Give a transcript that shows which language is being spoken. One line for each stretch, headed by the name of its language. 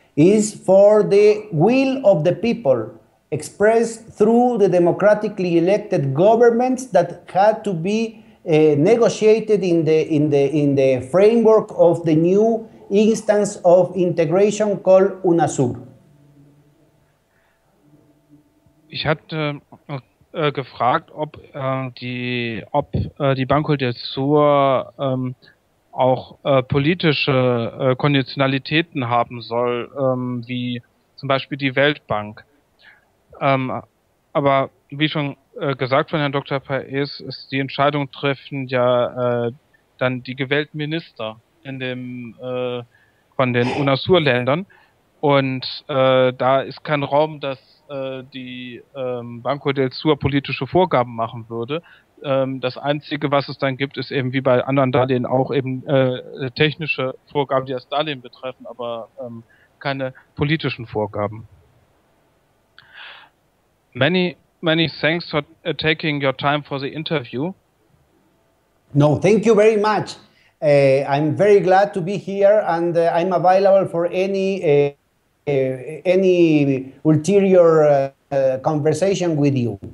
English: It's for the will of the people expressed through the democratically elected governments that had to be negotiated in the framework of the new instance of integration called UNASUR.
German: Ich hatte gefragt, ob die Banco del Sur auch politische Konditionalitäten haben soll, wie zum Beispiel die Weltbank. Aber wie schon gesagt von Herrn Dr. Paez, ist die Entscheidung treffen ja dann die gewählten Minister in dem von den UNASUR-Ländern. Und da ist kein Raum, dass die Banco del Sur politische Vorgaben machen würde. Das Einzige, was es dann gibt, ist eben wie bei anderen Darlehen auch eben technische Vorgaben, die das Darlehen betreffen, aber keine politischen Vorgaben.
English: Many thanks for taking your time for the interview. No, thank you very much. I'm very glad to be here, and I'm available for any ulterior conversation with you.